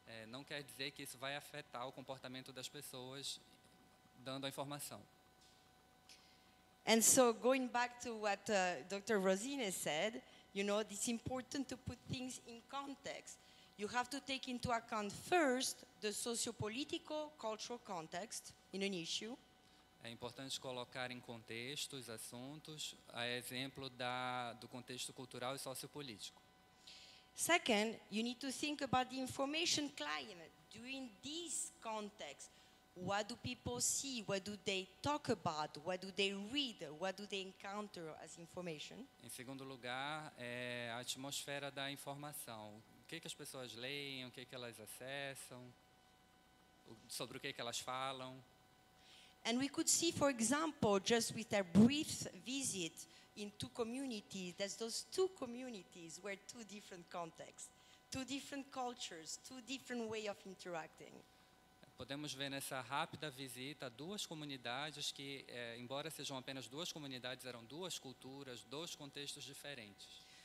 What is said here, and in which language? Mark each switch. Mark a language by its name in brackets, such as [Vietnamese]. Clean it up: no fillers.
[Portuguese] Não quer dizer que isso vai afetar o comportamento das pessoas dando a informação. [English] And so, going back to what Dr. Rosine said, you know, it's important to put things in context. You have to take into account first the socio-political, cultural context in an issue. [Portuguese] É importante colocar em contexto os assuntos, a exemplo do contexto cultural e sociopolítico. [English] Second, you need to think about the information climate. During this context, what do people see? What do they talk about? What do they read? What do they encounter as information? [Portuguese] Em segundo lugar, a atmosfera da informação. O que as pessoas leem? O que elas acessam? Sobre o que elas falam? [English] And we could see, for example, just with a brief visit in 2 communities, that those 2 communities were 2 different contexts, 2 different cultures, 2 different ways of interacting. [Portuguese] Podemos ver nessa rápida visita 2 comunidades que, embora sejam apenas 2 comunidades, eram 2 culturas, 2 contextos diferentes.